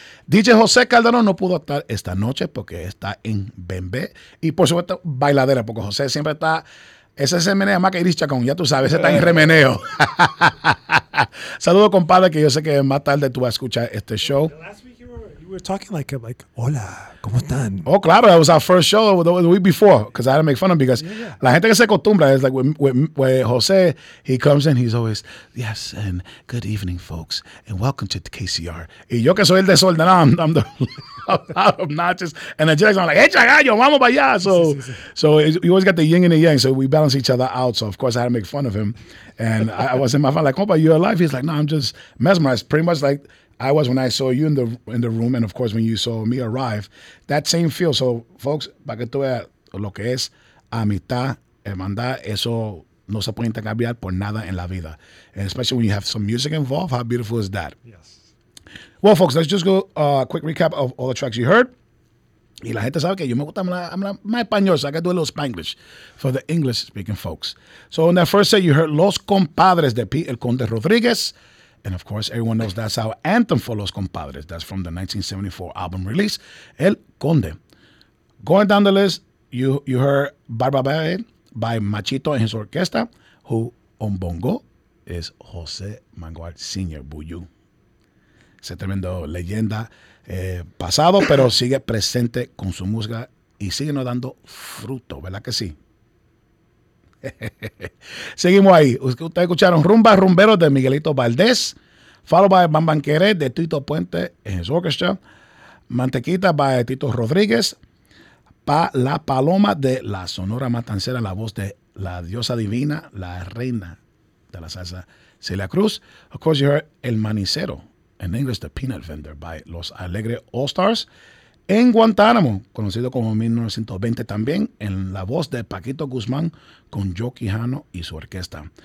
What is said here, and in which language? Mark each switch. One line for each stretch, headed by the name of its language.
Spanish: DJ José Calderón no pudo estar esta noche porque está en Bembé. Y por supuesto, bailadera, porque José siempre está. Ese es el meneo más que iris chacón, ya tú sabes, ese está en remeneo. Saludos, compadre, que yo sé que más tarde tú vas a escuchar este show.
English: We're talking like,
Spanish: hola, ¿cómo están? Oh, claro,
English: that was our first show the week before, because I had to make fun of him, because yeah.
Spanish: La gente que se acostumbra,
English: es like, with Jose, he comes in, he's always, yes, and good evening, folks, and welcome to the KCR.
Spanish: Y yo que soy el desordenado,
English: I'm the obnoxious, and the Jets, I'm like,
Spanish: echa gallo, vamos para allá.
English: So you always got the yin and the yang, so we balance each other out. So, of course, I had to make fun of him, and I was in my phone, like, compa, you're alive? He's like, no, I'm just mesmerized, pretty much like, I was when I saw you in the room, and of course when you saw me arrive, that same feel. So folks,
Spanish: para que tú veas lo que es amistad, hermandad, eso no se puede intercambiar por nada en la vida.
English: And especially when you have some music involved, how beautiful is that? Yes. Well, folks, let's just go a quick recap of all the tracks you heard.
Spanish: Y la gente sabe que yo me gusta más español,
English: so I gotta do a little Spanglish for the English speaking folks. So in that first set, you heard Los Compadres de Pete El Conde Rodriguez. And of course, everyone knows that's our anthem for Los Compadres. That's from the 1974 album release, El Conde. Going down the list, you heard Barba Bebe by Machito and his orquesta, who on bongo is José Manguard Sr. Buyu.
Spanish: Es tremendo leyenda pasado, pero sigue presente con su música y sigue nos dando fruto, ¿verdad que sí? Seguimos ahí. Ustedes escucharon Rumba Rumbero de Miguelito Valdés,
English: followed by
Spanish: Bambanqueré de Tito Puente en su orquesta, Mantequita by Tito Rodríguez, Pa La Paloma de la Sonora Matancera, la voz de la diosa divina, la reina de la salsa, Celia Cruz.
English: Of course, you heard El Manicero, in English, The Peanut Vendor by Los Alegre All Stars.
Spanish: en Guantánamo, conocido como 1920 también, en la voz de Paquito Guzmán con Joe Quijano y su orquesta.